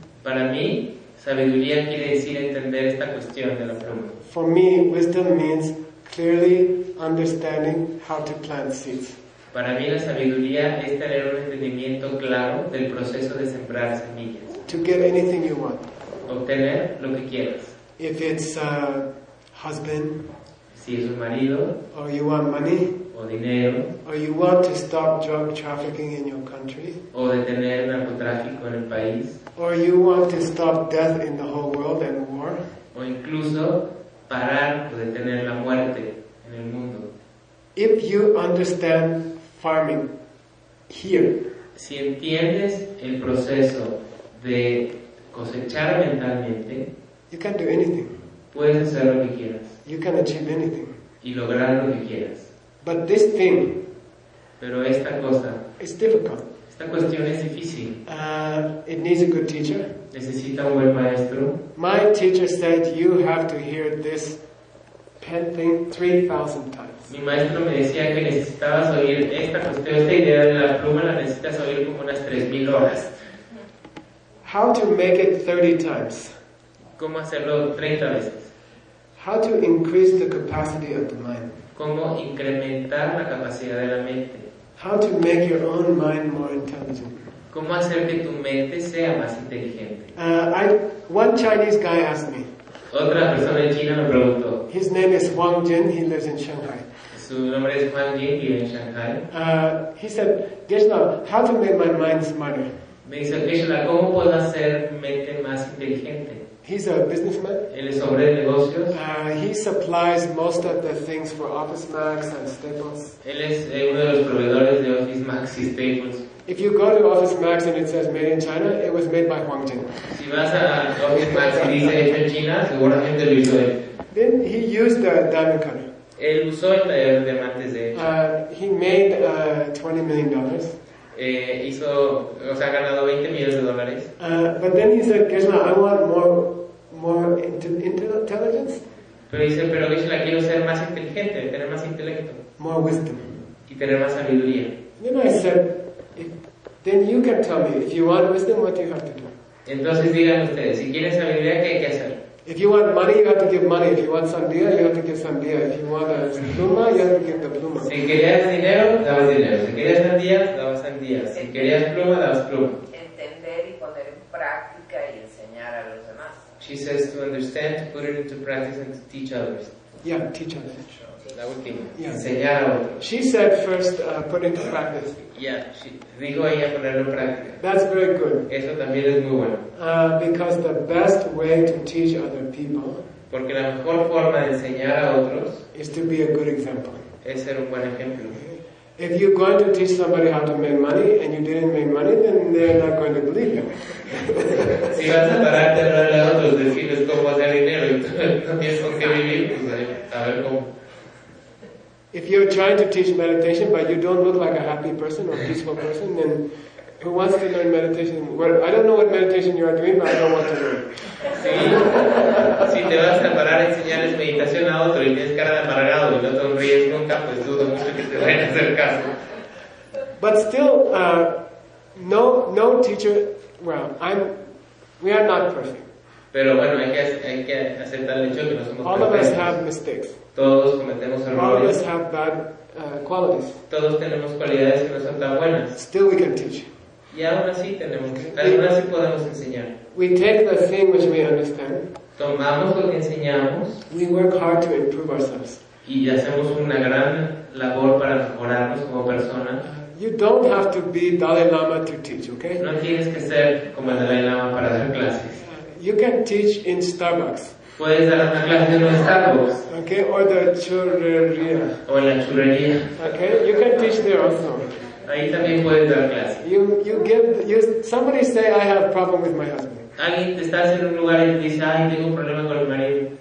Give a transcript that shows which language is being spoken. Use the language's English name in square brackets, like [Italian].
[Spanish] Para mí, sabiduría quiere decir entender esta cuestión de la pluma. [English] For me, wisdom means clearly understanding how to plant seeds. [Spanish] Para mí, la sabiduría es tener un entendimiento claro del proceso de sembrar semillas. [English] To get anything you want. [Spanish] Obtener lo que quieras. [English] If it's a husband, [Spanish] si es un marido, [English] or you want money, [Spanish] o dinero, [English] or you want to stop drug trafficking in your country, [Spanish] o detener narcotráfico en el país, [English] or you want to stop death in the whole world and war, [Spanish] o incluso parar o detener la muerte en el mundo. [English] If you understand farming here, [Spanish] si entiendes el proceso de cosechar mentalmente, [English] you can do anything. [Spanish] Puedes hacer lo que quieras. [English] You can achieve anything. [Spanish] Y lograr lo que quieras. [English] But this thing, [Spanish] pero esta cosa, [English] is difficult. [Spanish] Esta cuestión es difícil. [English] It needs a good teacher. [Spanish] Necesita un buen maestro. [English] My teacher said you have to hear this pen thing 3,000 times. [Spanish] Mi maestro me decía que necesitabas oír esta cuestión, esta idea de la pluma, la necesitas oír como unas 3,000 horas. [English] How to make it 30 times? [Spanish] ¿Cómo hacerlo 30 veces? [English] How to increase the capacity of the mind? [Spanish] ¿Cómo incrementar la capacidad de la mente? [English] How to make your own mind more intelligent? [Spanish] ¿Cómo hacer que tu mente sea más inteligente? [English] One Chinese guy asked me. [Spanish] Otra persona china me preguntó. [English] His name is Huang Jin, he lives in Shanghai. [Spanish] Su nombre es Huang Jin, vive en Shanghai. [English] He said, Geshe-la, how to make my mind smarter? [Spanish] Me dice, Geshe-la, ¿cómo puedo hacer mi mente más inteligente? [English] He's a businessman. [Spanish] Él es hombre de negocios. [English] He supplies most of the things for Office Max and Staples. [Spanish] Él es uno de los proveedores de Office Max y Staples. [English] If you go to Office Max and it says made in China, it was made by Huang Jin. [Spanish] Si vas a Office Max y dice hecho en China, seguramente lo hizo él. [English] Then he used the diamond cutter. [Spanish] Él usó el taller de diamantes de hecho. [English] He made $20 million. [Spanish] Hizo, o sea, ha ganado 20 millones de dólares. [English] But then he said, Geshe-la, I want more intelligence. [Spanish] Pero dice, pero yo la quiero ser más inteligente, tener más intelecto. [English] More wisdom. [Spanish] Y tener más sabiduría. [English] Then I said, then you can tell me, if you want wisdom, what do you have to do? [Spanish] Entonces digan ustedes, si quieren sabiduría, ¿qué hay que hacer? [English] If you want money, you have to give money. If you want sandía, you have to give sandía. If you want a pluma, you have to give the pluma. [Spanish] Si querías dinero, dabas dinero. Si querías sandía, dabas sandía. Si querías pluma, dabas pluma. Entender y poner en práctica y enseñar a los demás. [English] She says to understand, to put it into practice and to teach others. Yeah, teach others. Sure. [Spanish] La última. Yeah. Enseñar a otros. [English] She said first, put into practice. [Spanish] Yeah, she dijo ella ponerlo en práctica. [English] That's very good. [Spanish] Eso también es muy bueno. [English] Because the best way to teach other people. [Spanish] Porque la mejor forma de enseñar a otros [English] is to be a good example. [Spanish] Es ser un buen ejemplo. [English] If you're going to teach somebody how to make money and you didn't make money, then they're not going to believe you. [Spanish] Si vas a parar de hablarle a otros, decirles cómo hacer dinero y también con qué vivir, pues a ver cómo. [English] If you're trying to teach meditation, but you don't look like a happy person or a peaceful person, then who wants to learn meditation? Well, I don't know what meditation you are doing, but I don't want to learn. [Spanish] Sí. Si te vas a parar a enseñarles meditación a otro y tienes cara de amargado y no sonríes nunca, pues dudo mucho que te vayan a hacer caso. [English] But still, no teacher. Well, we are not perfect. [Spanish] Pero bueno, hay que aceptar el hecho que no somos perfectos. [English] All of us have mistakes. [Spanish] Todos cometemos errores. [English] All of us have bad qualities. [Spanish] Todos tenemos cualidades que no son tan buenas. [English] Still we can teach. [Spanish] Y aún así podemos enseñar. [English] We take the thing which we understand. [Spanish] Tomamos lo que enseñamos. [English] We work hard to improve ourselves. [Spanish] Y hacemos una gran labor para mejorarnos como personas. [English] You don't have to be Dalai Lama to teach, okay? [Spanish] No tienes que ser como el Dalai Lama para dar clases. [English] You can teach in Starbucks. [Spanish] Puedes dar una clase en los Starbucks. [English] Okay, or the churrería. [Spanish] O en la churrería. [English] Okay, you can teach there also. [Spanish] Ahí también puedes dar clase. [English] You give somebody say I have a problem with my husband. [Spanish] Alguien estás en un lugar y te dice, ay, tengo un problema con mi marido.